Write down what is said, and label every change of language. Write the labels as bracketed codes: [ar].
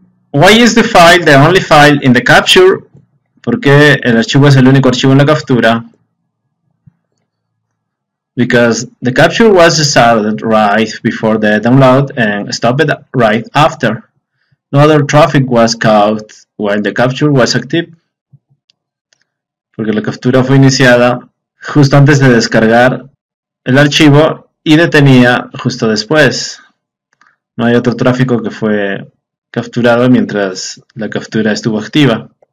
[en] Why is the file the only file in the capture? [es] ¿Por qué el archivo es el único archivo en la captura? [en] Because the capture was started right before the download and stopped right after. No other traffic was caught while the capture was active. [es] Porque la captura fue iniciada justo antes de descargar el archivo y detenida justo después. No hay otro tráfico que fue capturado mientras la captura estuvo activa.